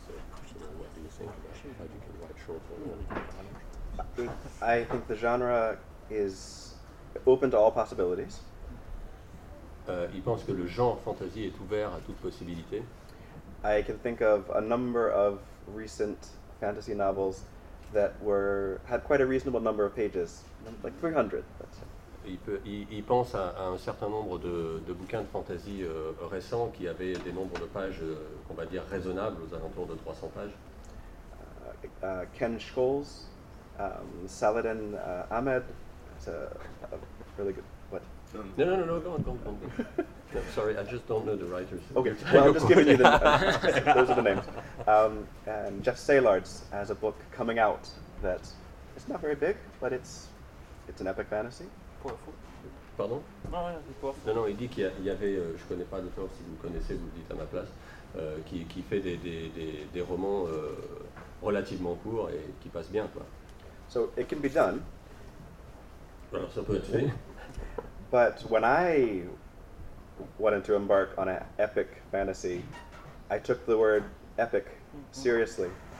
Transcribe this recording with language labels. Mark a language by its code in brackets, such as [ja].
[en] So you know, what do you think about how you can write short book? I think the genre is open to all possibilities. [fr] Il pense que le genre fantasy est ouvert à toute possibilité. [en] I can think of a number of recent fantasy novels that were had quite a reasonable number of pages, like 300. [fr] Il pense à un certain nombre de bouquins de fantasy récents qui avaient des nombres de pages qu'on va dire raisonnables, aux alentours de 300 pages. [en] Ken Scholes. Saladin Ahmed, it's a really good, what? No, go on. No, sorry, I just don't know the writers. Okay, well, I'm just giving you the those are the names. And Jeff Saylard's has a book coming out that, it's not very big, but it's an epic fantasy. Pardon? [fr] Non, il dit qu'il y avait, je connais pas l'auteur, si vous connaissez, vous le dites à ma place, qui fait des romans relativement courts et qui passent bien, quoi. [en] So it can be done. [fr] Alors, ça peut être fait. [en] But when I wanted to embark on an epic fantasy, I took the word epic seriously.